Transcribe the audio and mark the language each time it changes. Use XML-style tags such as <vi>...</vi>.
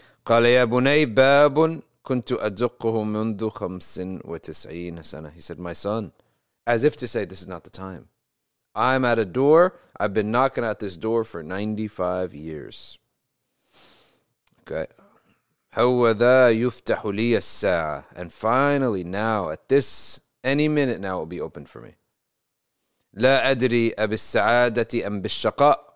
<ar>قال يا بني باب كنت أدقه منذ 95 سنة.</ar> <en>He said, my son. As if to say, this is not the time. I'm at a door. I've been knocking at this door for 95 years.</en> <ar>Okay. هوذا يفتح لي الساعة.</ar> <en>And finally, now, at this, any minute now, it will be open for me.</en> <ar>لا أدري أبالسعادة أم بالشقاء.</ar>